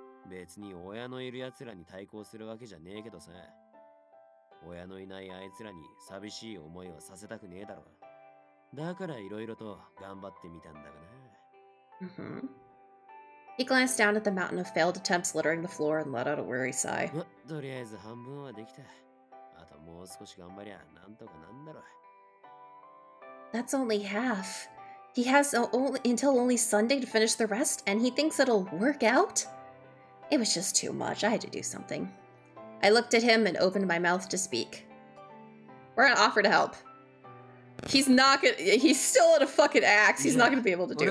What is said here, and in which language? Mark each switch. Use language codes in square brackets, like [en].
[ja] 別に親のいる奴らに対抗するわけじゃねえけどさ。親のいないあいつらに寂しい思いはさせたくねえだろ。だからいろいろと頑張ってみたんだがな。 [en] He glanced down at the mountain of failed attempts littering the floor and let out a weary sigh. [ja] ま、とりあえず半分はできた。あともう少し頑張りゃなんとかなんだろ。 [en] That's only half. He has until only Sunday to finish the rest, and he thinks it'll work out? It was just too much. I had to do something. I looked at him and opened my mouth to speak. We're gonna offer to help. He's not gonna- He's still at a fucking axe. He's not gonna be able to do it.